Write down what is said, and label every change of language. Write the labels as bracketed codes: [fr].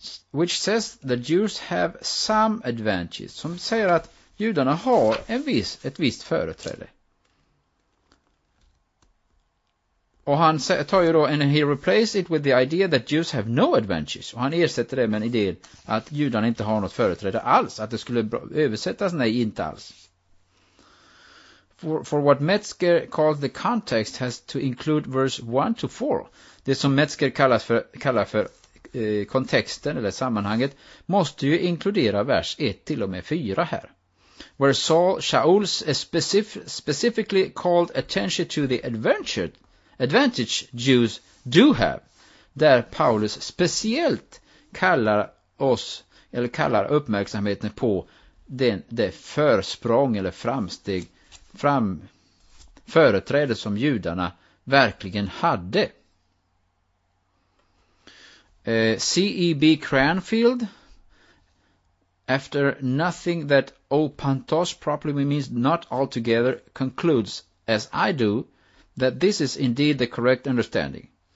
[en] Which says the Jews have some advantages, [sv] som säger att judarna har ett visst företräde. Och han tar ju då, [en] and he replaces it with the idea that Jews have no advantages. [sv] Och han ersätter det med en idé att judarna inte har något företräde alls. Att det skulle översättas, nej, inte alls. [en] For what Metzger calls the context has to include verse 1-4. [sv] Det som Metzger kallar för kontexten eller sammanhanget måste ju inkludera vers 1-4 här. [en] Where Shaul specifically called attention to the advantage Jews do have, [sv] där Paulus speciellt kallar uppmärksamheten på det försprång eller framsteg, företräde som judarna verkligen hade. [en] C.E.B. Cranfield: After nothing that opantos properly means not altogether, concludes, as I do, that this is indeed the correct understanding.